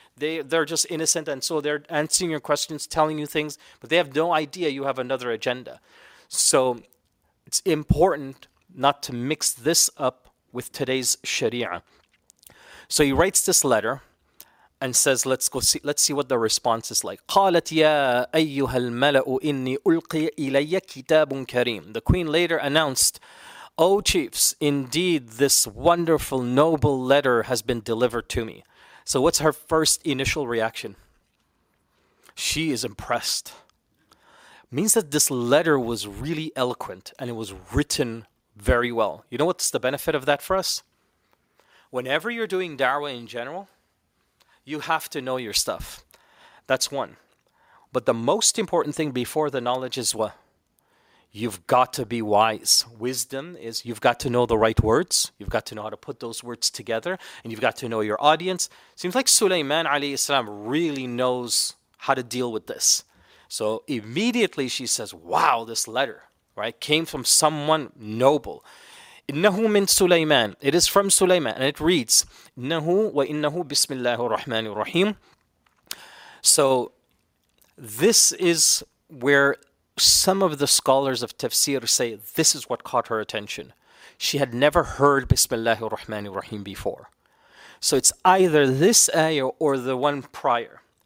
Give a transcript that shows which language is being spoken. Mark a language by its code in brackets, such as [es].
[en] They're just innocent, and so they're answering your questions, telling you things, but they have no idea you have another agenda. So it's important not to mix this up with today's Sharia. So he writes this letter and says, let's see what the response is like. [ar] قالت يا أيها الملأ إني ألقي إلي كتاب كريم. [en] The queen later announced, O chiefs, indeed this wonderful, noble letter has been delivered to me. So what's her first initial reaction? She is impressed. Means that this letter was really eloquent and it was written very well. You know what's the benefit of that for us? Whenever you're doing da'wah in general, you have to know your stuff. That's one. But the most important thing before the knowledge is what? You've got to be wise. Wisdom is you've got to know the right words. You've got to know how to put those words together. And you've got to know your audience. Seems like Sulaiman alayhi salam really knows how to deal with this. So immediately she says, wow, this letter, right, came from someone noble. [ar] إِنَّهُ مِنْ سُلَيْمَانِ. [en] It is from Sulaiman. And it reads, [ar] إِنَّهُ وَإِنَّهُ بِسْمِ اللَّهِ الرَّحْمَنِ الرَّحِيمِ. [en] So this is where some of the scholars of tafsir say this is what caught her attention. She had never heard Bismillah ar-Rahman ar-Rahim before. So it's either this ayah or the one prior.